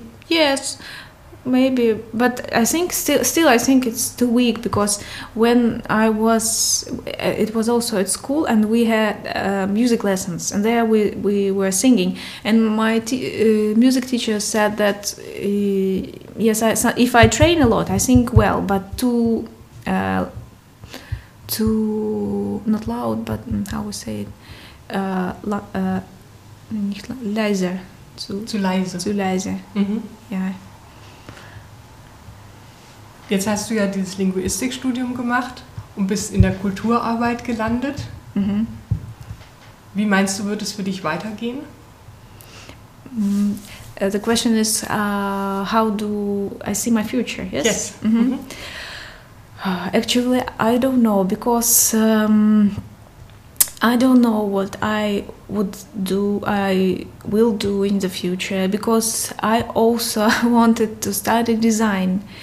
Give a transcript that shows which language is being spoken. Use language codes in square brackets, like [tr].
[en] Yes, maybe, but I think still I think it's too weak, because when I was, it was also at school, and we had music lessons, and there we were singing, and my music teacher said that yes, if I train a lot, I sing well, but too not loud, but how we say it, [de] nicht leise. Zu leise. Mhm. Ja. Jetzt hast du ja dieses Linguistikstudium gemacht und bist in der Kulturarbeit gelandet. Mhm. Wie meinst du, wird es für dich weitergehen? [en] The question is, how do I see my future? Yes. Yes. Mhm. Mhm. Actually, I don't know, because I don't know what I would do, I will do in the future, because I also wanted to study design.